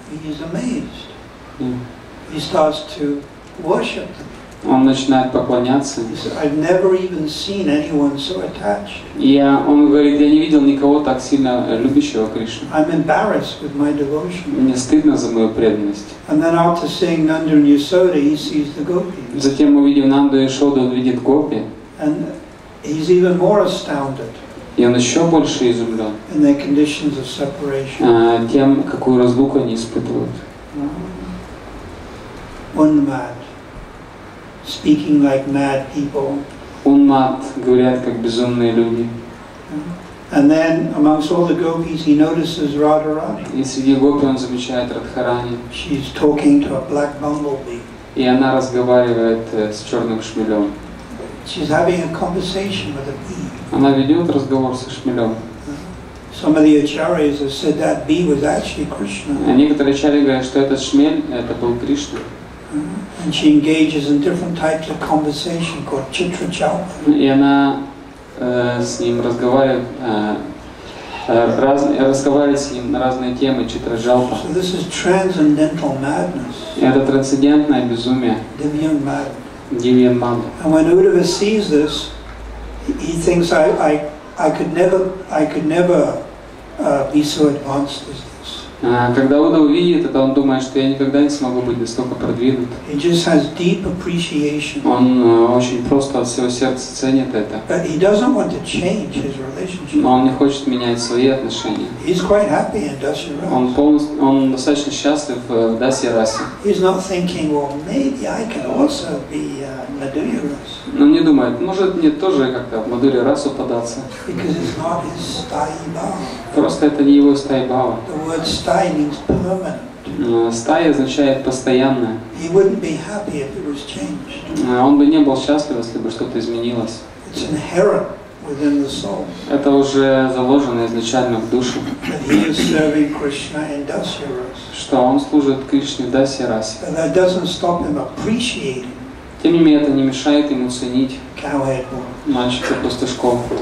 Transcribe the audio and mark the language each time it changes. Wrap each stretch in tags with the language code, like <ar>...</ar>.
<en>He is amazed. He starts to worship them.</en> <ru>Он начинает поклоняться.</ru> <en>He said, I've never even seen anyone so attached.</en> <ru>Он говорит, я не видел никого так сильно любящего Кришну.</ru> <en>I'm embarrassed with my devotion.</en> <ru>Мне стыдно за мою преданность.</ru> <en>And then after seeing Nanda and Yasoda, he sees the gopis.</en> <ru>Затем мы видим Нанду и Ясоду, он видит гопи.</ru> <en>And he's even more astounded.</en> <ru>И он еще больше изумлен.</ru> <en>In their conditions of separation.</en> <ru>Тем, какую разлуку они испытывают.</ru> <en>One mad. Speaking like mad people.</en> <ru>Унмад, говорят как безумные люди.</ru> <en>And then amongst all the gopis he notices Radharani.</en> <ru>И среди гопи он замечает Радхарани.</ru> <en>She's talking to a black bumblebee.</en> <ru>И она разговаривает с черным шмелем.</ru> <en>She's having a conversation with a bee.</en> <ru>Она ведет разговор со шмелем.</ru> <en>Some of the acharyas have said that bee was actually Krishna.</en> <ru>А некоторые ачарьи говорят, что этот шмель это был Кришна.</ru> <en>And she engages in different types of conversation called chitra chalpana.</en> <ru>И она с ним разговаривает, разговаривает с ним на разные темы читра жалпа.</ru> <en>So this is transcendental madness.</en> <ru>Это трансцендентное безумие.</ru> <en>Divyam madness. And when Uddhava sees this, he thinks I could never be so advanced as this.</en> <ru>Когда Уда увидит это, он думает, что я никогда не смогу быть настолько продвинут.</ru> <en>He just has deep appreciation.</en> <ru>Он очень просто от всего сердца ценит это.</ru> <en>But he doesn't want to change his relationship.</en> <ru>Но он не хочет менять свои отношения.</ru> <en>He's quite happy in Dasya Rasa.</en> <ru>Он достаточно счастлив в Дасе Расе.</ru> <en>He's not thinking, well, maybe I can also be Madhurya Rasa.</en> <ru>Но не думает, может мне тоже как-то в Мадхури Расу податься.</ru> <en>Because it's not his стайбава.</en> <ru>Просто это не его стайбава.</ru> <en>The word стай means permanent.</en> <ru>Стай означает постоянное.</ru> <en>He wouldn't be happy if it was changed.</en> <ru>Он бы не был счастлив, если бы что-то изменилось.</ru> <en>It's inherent within the soul.</en> <ru>Это уже заложено изначально в душу.</ru> <en>That he is serving Krishna in Dasya Rasa.</en> <ru>Что он служит Кришне в Дасе Расе.</ru> <en>But that doesn't stop him appreciating.</en> <ru>Тем не менее, это не мешает ему ценить мальчика-пастушков.</ru>